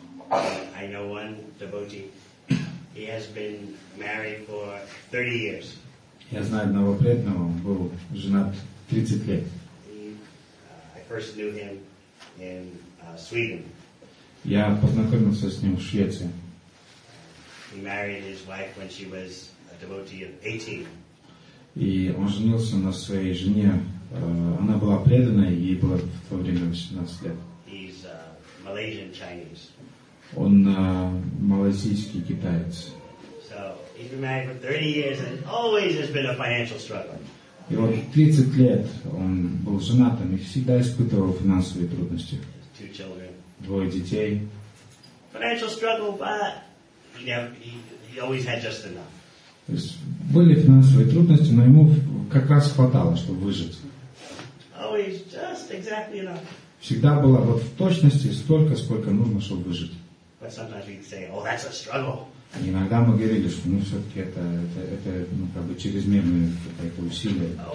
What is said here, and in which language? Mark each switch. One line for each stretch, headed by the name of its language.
English: I know one devotee. He has been married for 30 years.
Russian: Я знаю одного преданного, он был женат 30 лет.
English: I first knew him in Sweden.
Russian: Я познакомился с ним в Швеции.
English: He married his wife when she was a devotee of 18.
Russian: И он женился на своей жене. Она была преданной, ей было в то время 18 лет.
English: He's Malaysian Chinese.
Russian: Он малазийский китаец.
English: So he's been married for 30 years and always has been a financial struggle.
Russian: И вот 30 лет он был женатым и всегда испытывал финансовые трудности.
English: Two children.
Russian: Двое детей.
English: Financial struggle, but he always had just enough.
Russian: То есть были финансовые трудности, но ему как раз хватало, чтобы выжить.
English: Always just exactly enough.
Russian: Всегда было вот в точности столько, сколько нужно, чтобы выжить.
English: But sometimes we'd say, "Oh, that's a struggle."
Russian: Иногда мы говорили, что ну все-таки это ну как бы чрезмерное какое-то усилие.